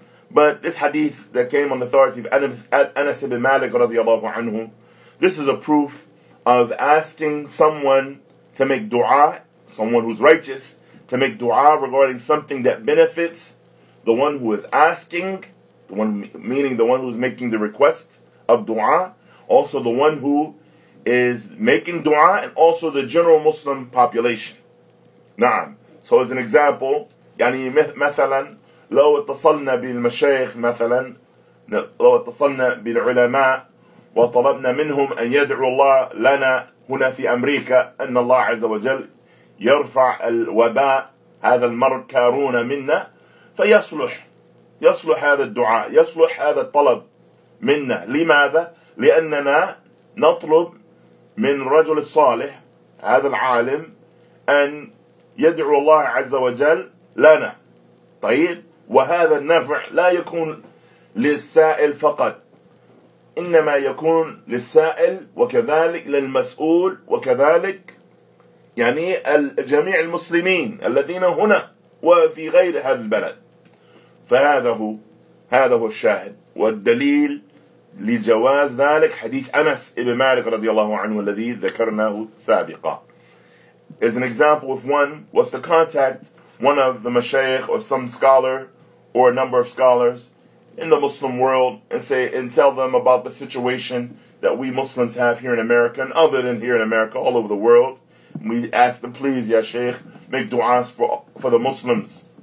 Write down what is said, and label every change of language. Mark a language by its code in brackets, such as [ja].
[en] But this hadith that came on the authority of Anas ibn Malik radiallahu anhu, this is a proof of asking someone to make dua, someone who's righteous, to make dua regarding something that benefits the one who is asking, the one meaning the one who is making the request of dua, also the one who is making dua, and also the general Muslim population. [ar] Naam. [en] So as an example, [ar] يعني مثلا لو اتصلنا بالمشايخ مثلا لو اتصلنا بالعلماء وطلبنا منهم أن يدعو الله لنا هنا في أمريكا أن الله عز وجل يرفع الوباء هذا المرض كورونا منا فيصلح هذا الدعاء يصلح هذا الطلب منا لماذا لأننا نطلب من رجل الصالح هذا العالم أن يدعو الله عز وجل لنا طيب وهذا النفع لا يكون للسائل فقط إنما يكون للسائل وكذلك للمسؤول وكذلك جميع المسلمين الذين هنا وفي غير هذا البلد فهذا هو الشاهد والدليل لجواز ذلك حديث أنس ابن مالك رضي الله عنه الذي ذكرناه سابقا. [en] As an example, if one was to contact one of the mashayikh or some scholar or a number of scholars in the Muslim world and tell them about the situation that we Muslims have here in America and other than here in America, all over the world, We ask them, please, Ya Sheikh, make du'as for the Muslims.